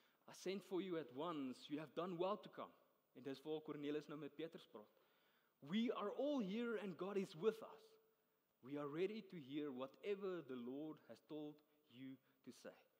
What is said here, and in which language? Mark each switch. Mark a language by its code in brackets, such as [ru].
[en] I sent for you at once, you have done well to come. [af] En dis waar Cornelius nou met Petrus praat. [en] We are all here and God is with us. We are ready to hear whatever the Lord has told you to say.